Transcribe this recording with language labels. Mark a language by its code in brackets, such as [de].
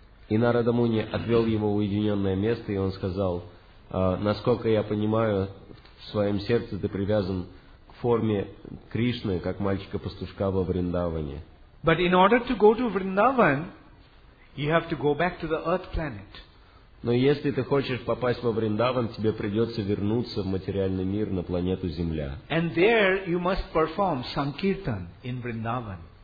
[ru] И Нарада Муни отвел его в уединенное место, и он сказал, насколько я понимаю, в своем сердце ты привязан к форме Кришны, как мальчика-пастушка во Вриндаване. [en] But in order to go to Vrindavan, you have to go back to the earth planet. [ru] Но если ты хочешь попасть во Вриндаван, тебе придется вернуться в материальный мир, на планету Земля. [en] And there you must perform sankirtan in Vrindavan.